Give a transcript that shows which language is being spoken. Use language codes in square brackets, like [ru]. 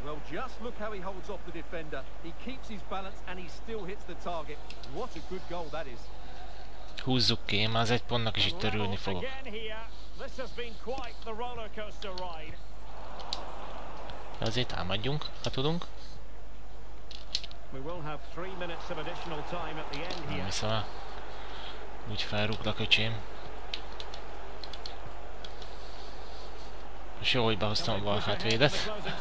[en] Just look how he holds off the defender. He keeps his balance and he still hits the target. What a good goal that is. [hu] Húzzuk ki, már az egy pontnak is itt örülni fogok. [en] This has been quite the roller coaster ride. [hu] Azért támadjunk, ha tudunk. [en] We will have 3 minutes of additional time at the end here. [hu] Viszont úgy felrúglak, öcsém. És jó, hogy behoztam a balhátvédet.